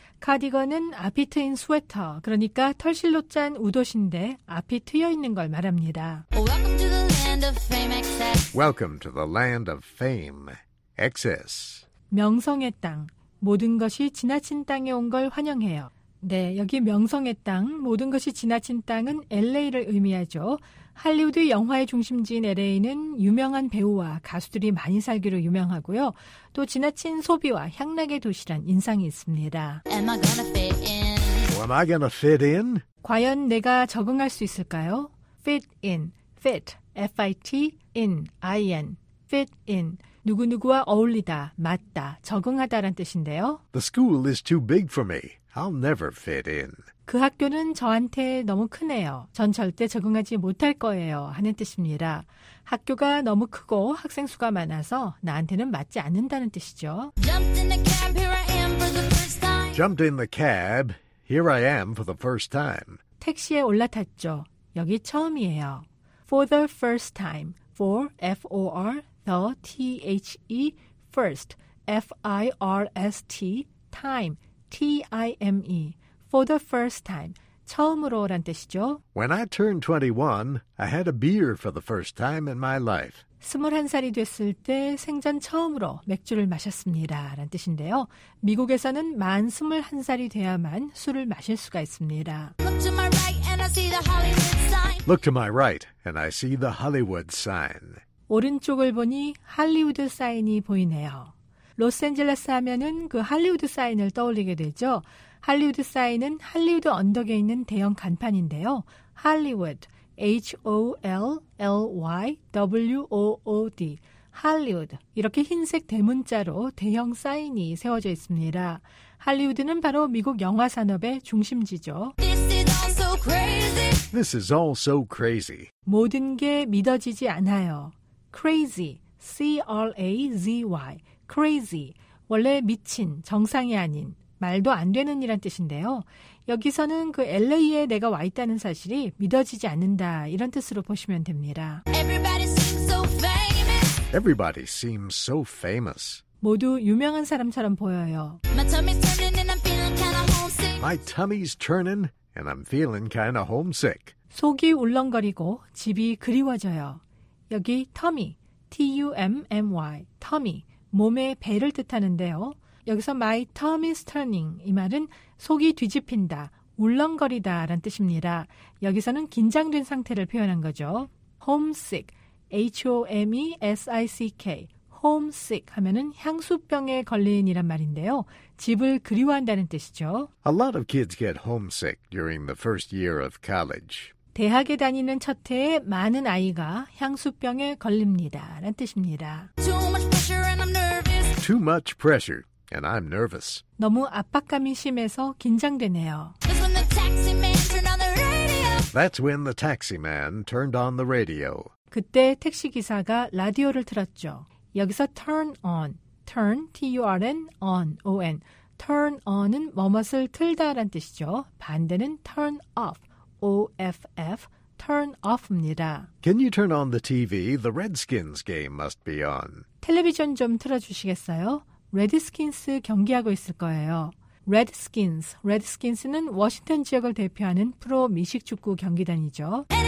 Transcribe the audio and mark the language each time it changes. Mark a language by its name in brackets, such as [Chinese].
[Korean] 카디건은 앞이 트인 스웨터, 그러니까 털실로 짠 웃옷인데 앞이 트여 있는 걸 말합니다. [English] Welcome to the land of fame, excess. [Korean] 명성의 땅, 모든 것이 지나친 땅에 온 걸 환영해요. 네, 여기 명성의 땅, 모든 것이 지나친 땅은 LA를 의미하죠. 할리우드 영화의 중심지인 LA는 유명한 배우와 가수들이 많이 살기로 유명하고요. 또 지나친 소비와 향락의 도시란 인상이 있습니다. [English] Am I gonna fit in? Am I gonna fit in? [Korean] 과연 내가 적응할 수 있을까요? [English] Fit in. Fit. F-I-T. In. I-N. Fit in. [Korean] 누구누구와 어울리다, 맞다, 적응하다란 뜻인데요. [English] The school is too big for me. I'll never fit in. [Korean] 그 학교는 저한테 너무 크네요. 전 절대 적응하지 못할 거예요 하는 뜻입니다. 학교가 너무 크고 학생 수가 많아서 나한테는 맞지 않는다는 뜻이죠. [English] Jumped in the cab, here I am for the first time. Jumped in the cab, here I am for the first time. [Korean] 택시에 올라탔죠. 여기 처음이에요. [English] For the first time, for, F-O-R, the, T-H-E, first, F-I-R-S-T, time, T-I-M-E. For the first time, [Korean] 처음으로란 뜻이죠. [English] When I turned 21, I had a beer for the first time in my life. [Korean] 21살이 됐을 때 생전 처음으로 맥주를 마셨습니다라는 뜻인데요. 미국에서는 만 21살이 되야만 술을 마실 수가 있습니다. [English] Look to my right and I see the Hollywood sign. Look to my right and I see the Hollywood sign. [Korean] 오른쪽을 보니 할리우드 사인이 보이네요. 로스앤젤레스 하면은 그 할리우드 사인을 떠올리게 되죠. 할리우드 사인은 할리우드 언덕에 있는 대형 간판인데요. 할리우드, H-O-L-L-Y-W-O-O-D, 할리우드, 이렇게 흰색 대문자로 대형 사인이 세워져 있습니다. 할리우드는 바로 미국 영화 산업의 중심지죠. [English] This is all so crazy. This is all so crazy. [Korean] 모든 게 믿어지지 않아요. Crazy, C-R-A-Z-Y, crazy, 원래 미친, 정상이 아닌, 말도 안 되는 이란 뜻인데요. 여기서는 그 LA에 내가 와 있다는 사실이 믿어지지 않는다 이런 뜻으로 보시면 됩니다. [English] Everybody seems so famous. Everybody seems so famous. [Korean] 모두 유명한 사람처럼 보여요. [English] My tummy's turning and I'm feeling kind of homesick. My tummy's turning and I'm feeling kind of homesick. [Korean] 속이 울렁거리고 집이 그리워져요. 여기 tummy, T-U-M-M-Y, tummy, 몸의 배를 뜻하는데요. 여기서 [English] my tummy's turning [Korean] 이 말은 속이 뒤집힌다, 울렁거리다 라는 뜻입니다. 여기서는 긴장된 상태를 표현한 거죠. homesick, H-O-M-E-S-I-C-K, homesick 하면은 향수병에 걸린 이란 말인데요. 집을 그리워한다는 뜻이죠. [English] A lot of kids get homesick during the first year of college. [Korean] 대학에 다니는 첫 해에 많은 아이가 향수병에 걸립니다 라는 뜻입니다. [English] Too much pressure and I'm nervous. Too much pressure. And I'm nervous. [Korean] 너무 압박감이 심해서 긴장되네요. [English] That's when the taxi man turned on the radio. That's when the taxi man turned on the radio. [Korean] 그때 택시 기사가 라디오를 틀었죠. 여기서 [English] turn on, turn, T-U-R-N, on, O-N. [Korean] Turn on은 무엇을 틀다라는 뜻이죠. 반대는 turn off, O-F-F, turn off입니다. [English] Can you turn on the TV? The Redskins game must be on. [Korean] 텔레비전 좀 틀어주시겠어요? 레드스킨스 경기하고 있을 거예요. 레드스킨스, 레드스킨스는 워싱턴 지역을 대표하는 프로 미식축구 경기단이죠.